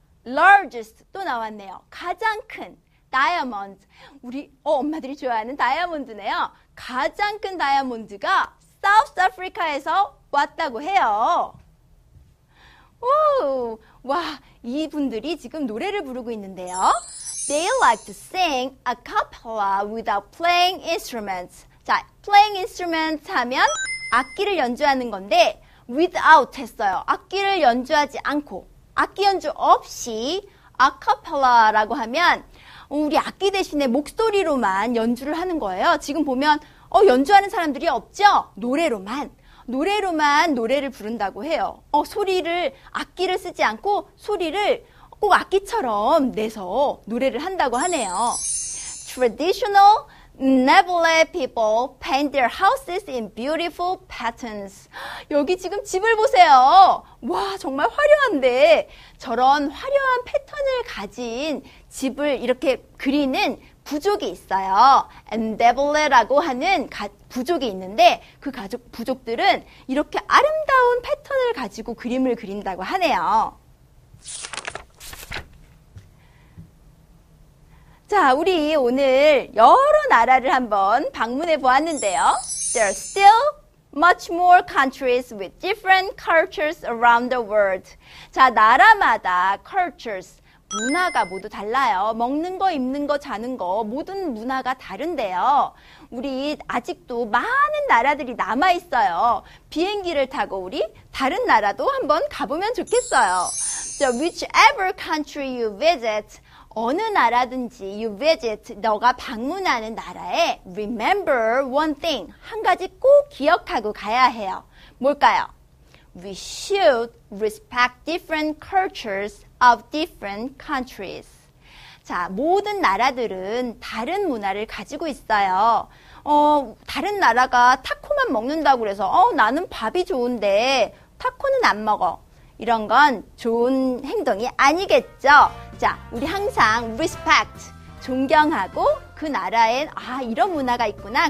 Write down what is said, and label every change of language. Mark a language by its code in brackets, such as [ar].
[ko] Largest 또 나왔네요. 가장 큰 diamond. 우리 엄마들이 좋아하는 다이아몬드네요. 가장 큰 다이아몬드가 South Africa에서 왔다고 해요. 오, 와, 이분들이 지금 노래를 부르고 있는데요. [en] They like to sing a cappella without playing instruments. [ko] 자, playing instruments 하면 악기를 연주하는 건데 without 했어요. 악기를 연주하지 않고. 악기 연주 없이 아카펠라라고 하면 우리 악기 대신에 목소리로만 연주를 하는 거예요. 지금 보면 연주하는 사람들이 없죠? 노래로만 노래를 부른다고 해요. 소리를 악기를 쓰지 않고 소리를 꼭 악기처럼 내서 노래를 한다고 하네요. [en] Traditional Nevele people paint their houses in beautiful patterns. [ko] 여기 지금 집을 보세요. 와, 정말 화려한데. 저런 화려한 패턴을 가진 집을 이렇게 그리는 부족이 있어요. Nevele라고 하는 부족이 있는데 그 부족들은 이렇게 아름다운 패턴을 가지고 그림을 그린다고 하네요. 자, 우리 오늘 여러 나라를 한번 방문해 보았는데요. [en] There are still much more countries with different cultures around the world. [ko] 자, 나라마다 [en] cultures, [ko] 문화가 모두 달라요. 먹는 거, 입는 거, 자는 거 모든 문화가 다른데요. 우리 아직도 많은 나라들이 남아있어요. 비행기를 타고 우리 다른 나라도 한번 가보면 좋겠어요. [en] So whichever country you visit, [ko] 어느 나라든지 [en] you visit, [ko] 너가 방문하는 나라에 [en] remember one thing, [ko] 한 가지 꼭 기억하고 가야 해요. 뭘까요? [en] We should respect different cultures of different countries. [ko] 자, 모든 나라들은 다른 문화를 가지고 있어요. 다른 나라가 타코만 먹는다고 해서 나는 밥이 좋은데 타코는 안 먹어. 이런 건 좋은 행동이 아니겠죠. 자, 우리 항상 respect, 존경하고 그 나라엔 이런 문화가 있구나.